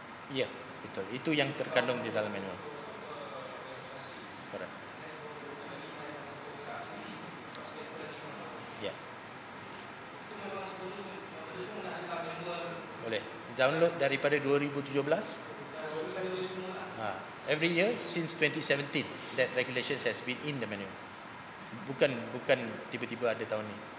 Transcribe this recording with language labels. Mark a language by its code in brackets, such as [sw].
[ms] Ya, betul. Itu yang terkandung di dalam manual. [en] Correct. [ms] Boleh download daripada 2017. Ha, [en] every year since 2017 that regulations has been in the manual. [ms] Bukan tiba-tiba ada tahun ni.